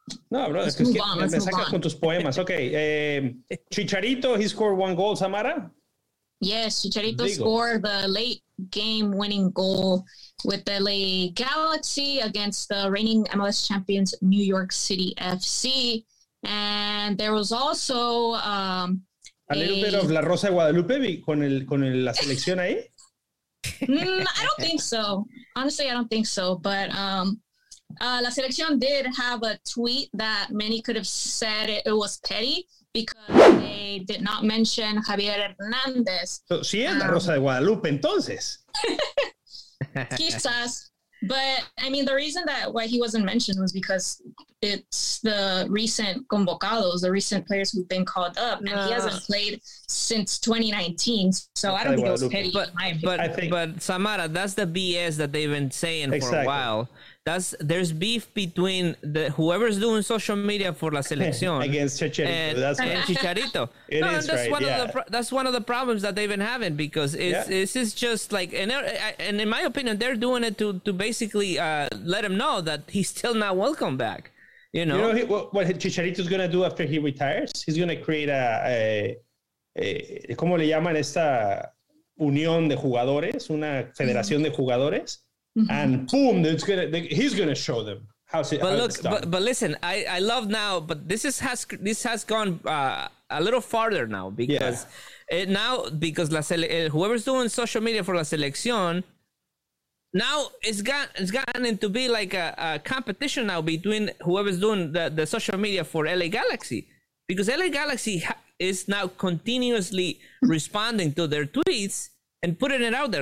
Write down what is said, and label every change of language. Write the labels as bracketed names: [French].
[Spanish] No, brother, me sacas con tus poemas. Okay. [English] Chicharito, he scored one goal, Samara? Yes, Chicharito scored the late game winning goal with the LA Galaxy against the reigning MLS champions New York City FC. And there was also a little bit of [Spanish] La Rosa de Guadalupe con el la selección ahí. [English] I don't think so. Honestly, I don't think so. But La Selección did have a tweet that many could have said it was petty because they did not mention Javier Hernández. So, [Spanish] sí, es La Rosa de Guadalupe, entonces. Quizás, [English] but I mean, the reason that why he wasn't mentioned was because it's the recent convocados, the recent players who've been called up, and he hasn't played since 2019. So I don't think it was petty. But Samara, that's the BS that they've been saying for a while. There's beef between the whoever's doing social media for La Selección against Chicharito. Chicharito. That's one of the problems that they've been having, because it's just like, and in my opinion, they're doing it to basically let him know that he's still not welcome back. You know what Chicharito's going to do after he retires? He's going to create a [Spanish] ¿cómo le llaman esta unión de jugadores? Una federación de jugadores. [English] And boom, he's gonna show them how it's done. But listen, I love now. But this has gone a little farther now, because whoever's doing social media for La Selección now it's gotten into be like a competition now between whoever's doing the social media for LA Galaxy, because LA Galaxy is now continuously responding to their tweets and putting it out there.